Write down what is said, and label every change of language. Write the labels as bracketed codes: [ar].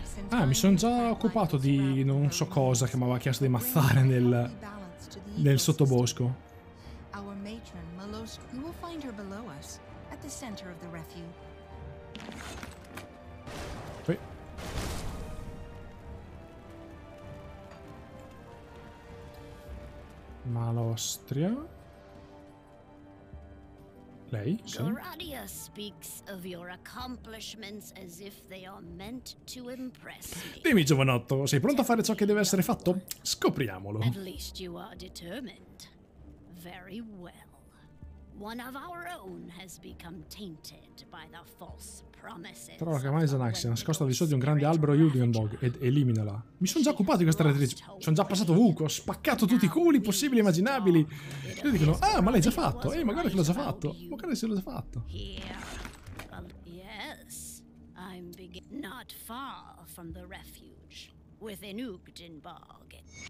[it] Ah, mi sono già occupato di non so cosa che mi aveva chiesto di ammazzare nel sottobosco. [en] Our matron, Malosk, you will find her below us, at the center of the refuge. [it] Qui. Malostria. Lei, sì. [en] Garadia speaks of your accomplishments as if they are meant to impress me. [it] Dimmi, giovanotto, sei pronto a fare ciò che deve essere fatto? Scopriamolo. [en] At least you are determined. Very well. One of our own has become tainted by the false promises. [it] Trova Kamaizanax, nascosta di sotto di un grande albero Yudionbog, ed eliminala. Mi sono già occupato di questa retrice. Ci sono già passato ovunque, ho spaccato tutti i culi possibili e immaginabili. E loro dicono, ah, ma l'hai già fatto. Ehi, ma guarda che l'ho già fatto. Ma guarda che l'ho già fatto. [en] Yes, I'm not far from the refuge, within Ugdenbog.